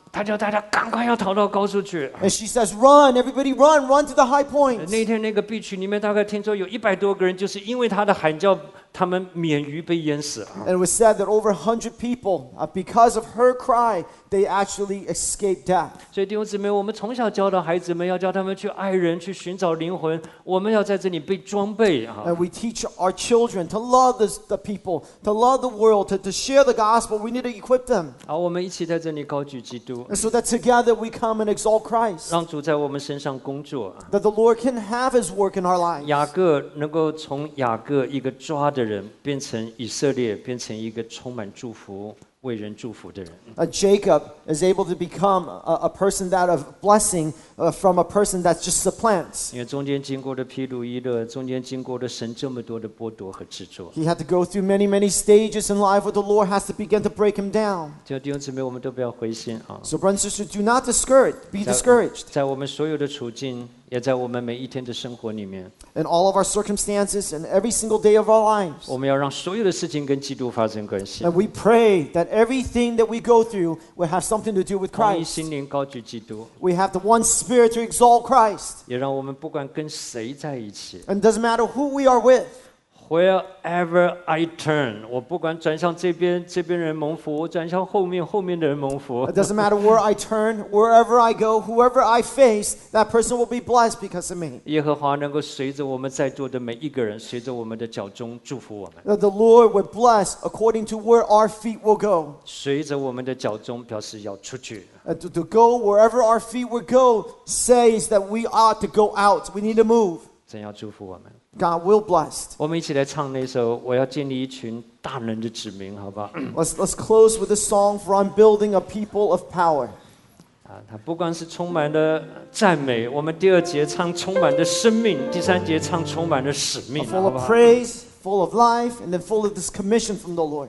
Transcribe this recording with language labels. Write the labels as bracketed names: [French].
[Chinese] 他叫大家赶快要逃到高处去。 [English] And she says, "Run, everybody, run, run to the high points." [Chinese] 那天那个beach里面，大概听说有100多个人，就是因为他的喊叫。他们免于被淹死。 [English] And it was said that over 100 people, because of her cry, they actually escaped death. [Chinese] 所以弟兄姊妹，我们从小教导孩子们，要教他们去爱人，去寻找灵魂。我们要在这里被装备。 [English] And we teach our children to love the people, to love the world, to share the gospel. We need to equip them. [Chinese] 好，我们一起在这里高举基督。 [English] And so that together we come and exalt Christ. [Chinese] 让主在我们身上工作。 [English] That the Lord can have His work in our lives. [Chinese] 雅各能够从雅各一个抓的人变成以色列，变成一个充满祝福、为人祝福的人。 [English] Jacob is able to become a person that of blessing from a person that just supplants. [Chinese] 因为中间经过的披露伊勒，中间经过的神这么多的剥夺和制作。 [English] He had to go through many, many stages in life where the Lord has to begin to break him down. [Chinese] 叫弟兄姊妹，我们都不要灰心啊。 [English] So brothers and sisters, do not discourage. Be discouraged. [Chinese] 在我们所有的处境。也在我们每一天的生活里面 [English] in all of our circumstances and every single day of our lives [Chinese] 我们要让所有的事情跟基督发生关系 [English] and we pray that everything that we go through will have something to do with Christ [Chinese] 同一心灵高举基督 [English] we have the one spirit to exalt Christ [Chinese] 也让我们不管跟谁在一起 [English] and it doesn't matter who we are with wherever I turn [Chinese] 我不管转向这边这边人蒙福我转向后面后面的人蒙福 [English] it doesn't matter where I turn wherever I go whoever I face that person will be blessed because of me [Chinese] 耶和华能够随着我们在座的每一个人随着我们的脚中祝福我们 [English] that the Lord will bless according to where our feet will go [Chinese] 随着我们的脚中表示要出去 [English] to go wherever our feet will go says that we ought to go out we need to move [Chinese] 真要祝福我们 [English] God will bless. [Chinese] 我们一起来唱那首《我要建立一群大能的子民》，好不好 [English] ？Let's close with a song for I'm building a people of power. [Chinese] 它不光是充满了赞美，我们第二节唱充满了生命，第三节唱充满了使命，好不好 [English] ？Full of praise, full of life, and then full of this commission from the Lord.